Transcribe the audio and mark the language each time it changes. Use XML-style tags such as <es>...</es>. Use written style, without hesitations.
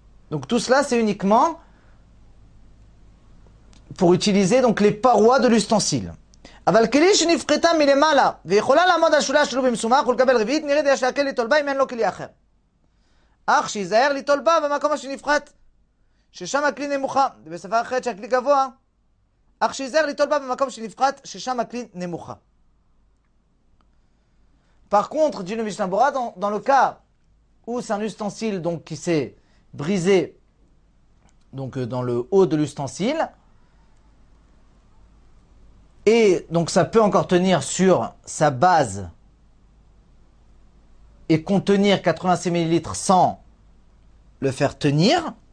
<fr>Donc tout cela, c'est uniquement pour utiliser donc les parois de l'ustensile.</fr> <he>אבל כלי שנפחתה מלמעלה, ויכולה לעמוד על שולה שלו במסומך, ולקבל רביעית, נראית יש להקל ליטול בה אם אין לו כלי אחר. אך שיזהר ליטול בה במקום שנפחת, ששם הכלי נמוכה, בשפה אחרת שהכלי גבוה, אך שיזהר ליטול בה במקום שנפחת, ששם הכלי נמוכה.</he> <fr>Par contre, dit le Mishnah Berurah, dans le cas où c'est un ustensile donc, qui s'est brisé donc, dans le haut de l'ustensile, et donc ça peut encore tenir sur sa base et contenir 86 ml sans le faire tenir.</fr>